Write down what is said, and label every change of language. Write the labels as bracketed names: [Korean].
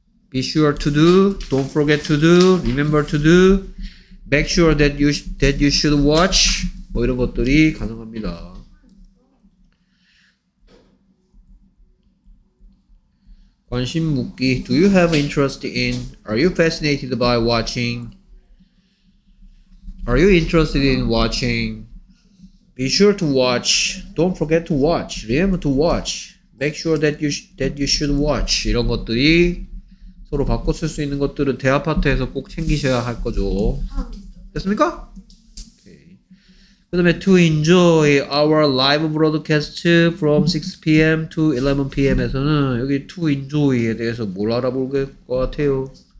[English] Be sure to do, don't forget to do, remember to do, make sure that you should watch. [Korean] 뭐 이런 것들이 가능합니다. 관심 묻기. [English] Do you have interest in, are you fascinated by watching? Are you interested in watching? Be sure to watch, don't forget to watch, remember to watch, make sure that you should watch. [Korean] 이런 것들이 서로 바꿔 쓸 수 있는 것들은 대아파트에서 꼭 챙기셔야 할 거죠. 됐습니까? 오케이. 그 다음에 [English] to enjoy our live broadcast from 6pm to 11pm [Korean] 에서는 여기 to enjoy에 대해서 뭘 알아볼 것 같아요?